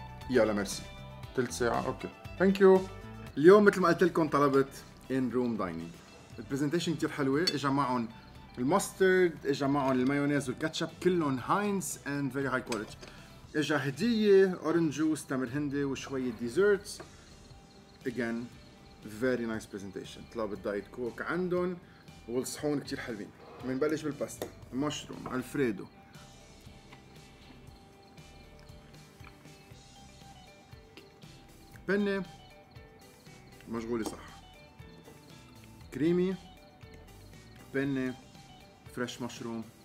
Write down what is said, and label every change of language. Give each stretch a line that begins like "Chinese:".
Arabic: يلا مرسي. تلت ساعة. اوكي ثانكيو. اليوم مثل ما قلت لكم طلبت
English: in room dining.
Arabic: البرزنتيشن كتير حلوة. اجا معهم الماسترد، اجا معهم المايونيز والكاتشب، كلهم هاينز
English: and very high quality.
Arabic: اجا هدية اورنج جوس تمر هندي وشوية ديزرتس.
English: again very nice presentation.
Arabic: طلبت دايت كوك عندهم والصحون كتير حلوين. منبلش بالباستا. مشروم الفريدو. بني مشغولي صح. كريمي بني فريش مشروم.